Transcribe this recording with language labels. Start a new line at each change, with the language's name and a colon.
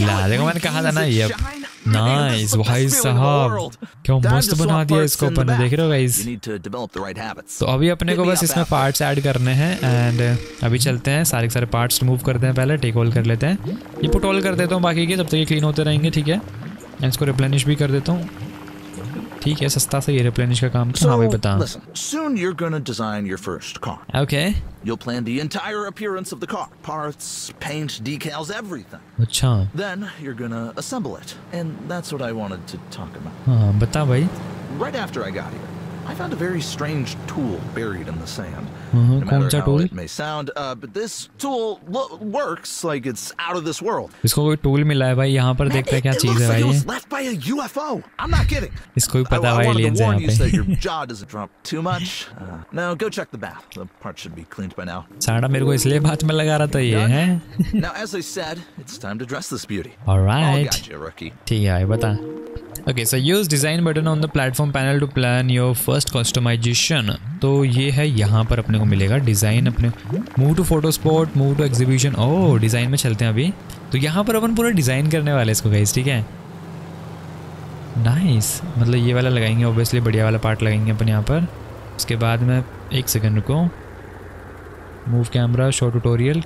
Hindi: देखो मैंने कहा था ना, ये नाइस भाई साहब, क्या मस्त बना दिया इसको अपन ने, देख रहे हो गाइस। तो अभी अपने को बस इसमें पार्ट्स ऐड करने हैं, एंड अभी चलते हैं सारे पार्ट्स रिमूव करते हैं, पहले टेक ऑल कर लेते हैं। ये पुट ऑल कर देता हूँ बाकी के, जब तक ये क्लीन होते रहेंगे, ठीक है। एंड इसको रिप्लेनिश भी कर देता हूँ, ठीक है, सस्ता से ये रिप्लेनिश का काम। हाँ भाई बता।
English: Soon you're gonna design your first car. Okay. You'll plan the entire appearance of the car, parts, paint, decals, everything.
Hindi: अच्छा।
English: Then you're gonna assemble it, and that's what I wanted to talk about.
Hindi: हाँ बता भाई।
English: Right after I got here, I found a very strange tool buried in the sand. Uh-huh. No matter how it may sound, but this tool works like it's out of this world.
Hindi: इसको कोई tool मिला है भाई यहाँ पर देखते क्या चीज़ है भाई?
English: It looks like it was left by a UFO. I'm not kidding.
Hindi: इसको ही पता है aliens यहाँ पे.
English: I wanted to warn you so your jaw doesn't drop too much. Now go check the bath. The part should be cleaned by now.
Hindi: सारा मेरे को इसलिए बात में लगा रहा था ये हैं.
English: Now as I said, it's time to dress this beauty. All right. I got you, rookie.
Hindi: ठीक है भाई बता.
English: Okay, so use design button on the platform panel to plan your first customization.
Hindi: तो ये है यहाँ पर अपने को मिलेगा डिज़ाइन अपने
English: Move to photo spot move to exhibition.
Hindi: O design में चलते हैं अभी. तो यहाँ पर अपन पूरा डिज़ाइन करने वाले इसको गाइस. ठीक है नाइस. मतलब ये वाला लगाएंगे ऑब्वियसली बढ़िया वाला पार्ट लगाएंगे अपन यहाँ पर. उसके बाद में एक सेकेंड रुको. Move camera short tutorial.